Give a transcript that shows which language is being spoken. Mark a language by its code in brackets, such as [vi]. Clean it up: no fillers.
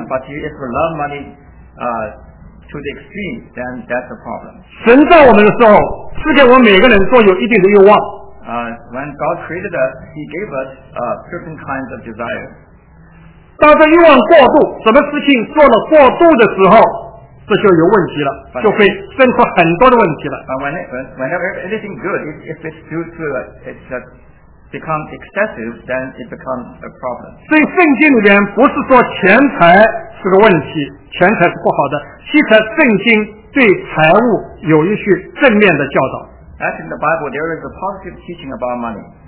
[en] Yeah, but if you love money, to the extreme, then that's a problem. [zh] 神造我们的时候，赐给我们每个人都有一定的欲望。 [en] When God created us, He gave us certain kinds of desire. [zh] 当这欲望过度，什么事情做了过度的时候。这就有问题了，就会生出很多的问题了。 [en] Whenever anything good, if it's due to it becomes excessive, then it becomes a problem. [zh] 所以圣经里边不是说钱财是个问题，钱财是不好的。其实圣经对财务有一些正面的教导。 [en] Actually, the Bible there is a positive teaching about money.